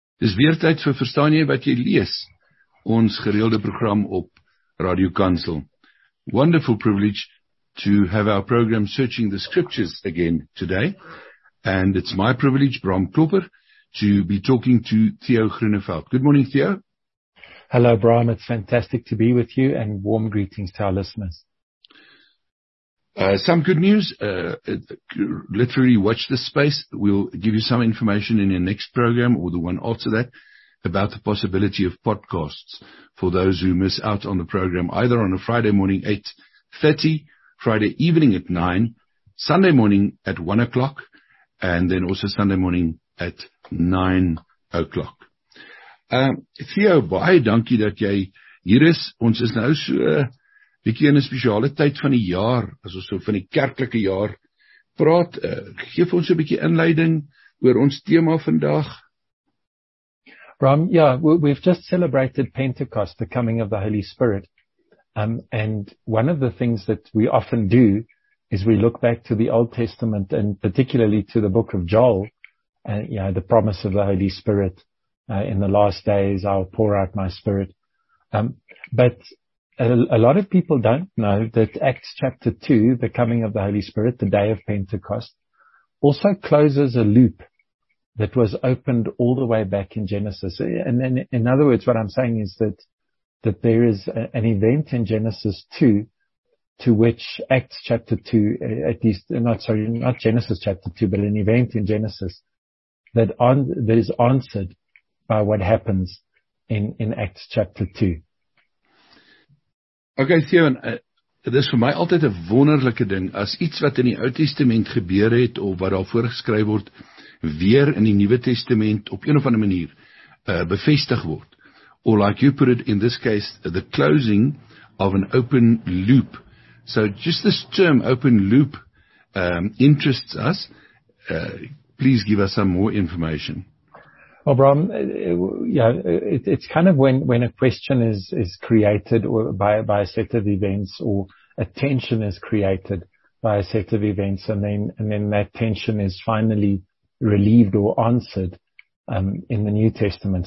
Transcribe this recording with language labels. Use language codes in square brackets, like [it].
[af] Dis weer tyd vir Verstaan jy wat jy lees, ons gereelde program op Radio Kansel. [en] Wonderful privilege to have our program Searching the Scriptures again today. And it's my privilege, Bram Klopper, to be talking to Theo Groeneveld. Good morning, Theo. Hello, Bram. It's fantastic to be with you and warm greetings to our listeners. Some good news, literally watch this space. We'll give you some information in your next program or the one after that about the possibility of podcasts for those who miss out on the program, either on a Friday morning 8:30, Friday evening at 9, Sunday morning at 1 o'clock, and then also Sunday morning at 9 o'clock. [af] Theo, baie dankie dat jy hier is. Ons is nou so bietjie in 'n spesiale tyd van die jaar, as ons so van die kerklike jaar praat. Geef ons 'n bietjie inleiding oor ons tema vandag. [en] Bram, yeah, we've just celebrated Pentecost, the coming of the Holy Spirit. And one of the things that we often do is we look back to the Old Testament and particularly to the book of Joel, the promise of the Holy Spirit. In the last days, I'll pour out my spirit. But a lot of people don't know that Acts chapter 2, the coming of the Holy Spirit, the day of Pentecost, also closes a loop that was opened all the way back in Genesis. And then, in other words, what I'm saying is that there is an event in Genesis 2 to which Acts chapter 2, not Genesis chapter 2, but an event in Genesis that is answered by what happens in Acts chapter 2. [af] Okay, Theo, dit is vir my altyd 'n wonderlike ding, as iets wat in die Ou Testament gebeur het, of wat daar voorgeskryf word, weer in die Nuwe Testament, op een of ander manier, bevestig word. [en] Or like you put it in this case, the closing of an open loop. So just this term, open loop, interests us. Please give us some more information. Well, Bram, it's kind of when a question is created or by a set of events, or a tension is created by a set of events, and then that tension is finally relieved or answered in the New Testament.